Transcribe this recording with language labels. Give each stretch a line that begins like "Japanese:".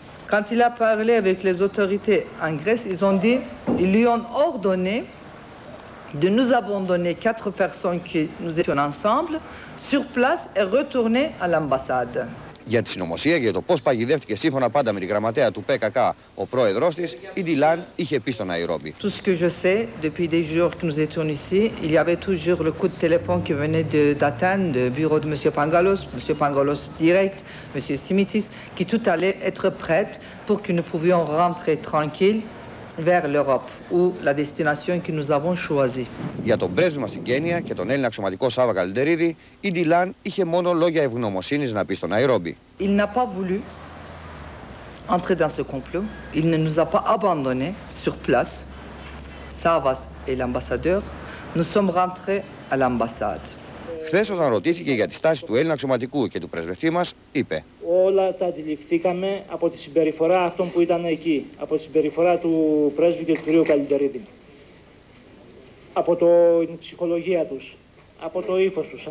French: Quand il a parlé avec les autorités en Grèce, ils ont dit, ils lui ont ordonné de nous abandonner quatre personnes qui nous étions ensemble sur place et retourner à l'ambassade.
Greek: Για τη συνωμοσία και το πώς παγιδεύτηκε σύμφωνα πάντα με τη γραμματέα του ΠΚΚ ο πρόεδρός της, η Ντιλάν είχε πει στο Ναϊρόμπι.
French: Tout ce que je sais depuis des jours que nous étions ici, il y avait toujours le coup de téléphone qui venait d'Athènes, du bureau de Monsieur Pangalos, Monsieur Pangalos direct, Monsieur Simitis, qui tout allait être prêt pour que nous pouvions rentrer tranquille vers l'Europe ou la destination que nous avons choisie.
Greek: Για τον πρέσβη μας στην Κένια και τον Έλληνα αξιωματικό Σάβα Καλυτερίδη, η Ντιλάν είχε μόνο λόγια ευγνωμοσύνης να πει στο Ναϊρόμπι.
French: Il n'a pas voulu entrer dans ce complot. Il ne nous a pas abandonné sur place. Σάβας et l'ambassadeur, nous sommes rentrés à l'ambassade.
Greek: Χθες όταν ρωτήθηκε για τη στάση του Έλληνα αξιωματικού και του πρεσβευτή μας, είπε: Όλα τα αντιληφθήκαμε από τη συμπεριφορά αυτών που ήταν εκεί, από τη συμπεριφορά του πρέσβη και του κυρίου Καλυτερίδη. Από την ψυχολογία τους, από το ύφος τους.